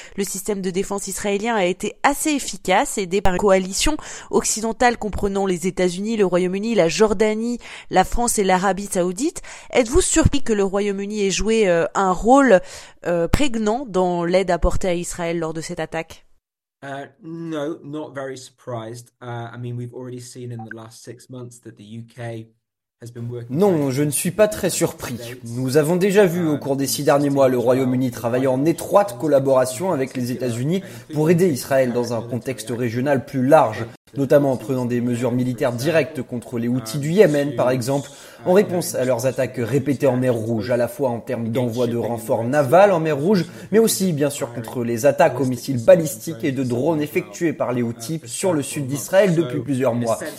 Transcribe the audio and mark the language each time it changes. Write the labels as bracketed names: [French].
[French] Le système de défense israélien a été assez efficace, aidé par une coalition occidentale comprenant les États-Unis, le Royaume-Uni, la Jordanie, la France et l'Arabie Saoudite. Êtes-vous surpris que le Royaume-Uni ait joué un rôle prégnant dans l'aide apportée à Israël lors de cette attaque? [English] No, not very surprised. I mean, we've already seen in the last six months that the UK has been working. [French] Non, je ne suis pas très surpris. Nous avons déjà vu au cours des six derniers mois le Royaume-Uni travailler en étroite collaboration avec les États-Unis pour aider Israël dans un contexte régional plus large, notamment en prenant des mesures militaires directes contre les Houthis du Yémen, par exemple, en réponse à leurs attaques répétées en mer Rouge, à la fois en termes d'envoi de renforts navals en mer Rouge, mais aussi, bien sûr, contre les attaques aux missiles balistiques et de drones effectués par les Houthis sur le sud d'Israël depuis plusieurs mois.